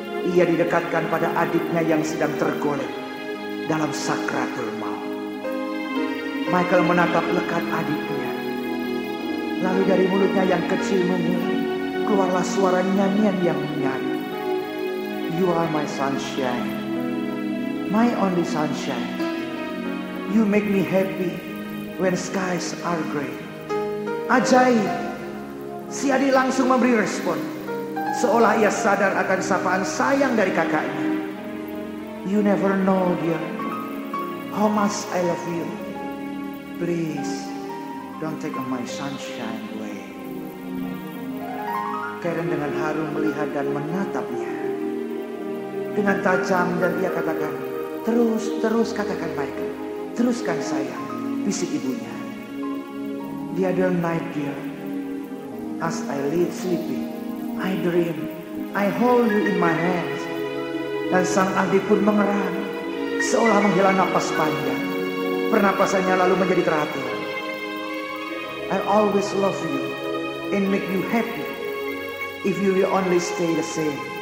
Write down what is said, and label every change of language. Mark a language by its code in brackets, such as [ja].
[id] Ia didekatkan pada adiknya yang sedang tergolek dalam sakratul maut. Michael menatap lekat adiknya, lalu dari mulutnya yang kecil mengering keluarlah suara nyanyian yang menyanyi. [en] You are my sunshine, my only sunshine. You make me happy when skies are gray. [id] Ajaib. Si adik langsung memberi respon, seolah ia sadar akan sapaan sayang dari kakaknya. [en] You never know, dear, how much I love you. Please, don't take my sunshine away. [id] Karen dengan haru melihat dan menatapnya. Dengan tajam dan ia katakan, terus katakan baik. Teruskan sayang, bisik ibunya. [en] The other night, dear, as I lay sleeping, I dream, I hold you in my hands. [id] Dan sang adik pun mengerang, seolah menghela napas panjang. pernapasannya lalu menjadi teratur. [en] I always love you and make you happy if you will only stay the same.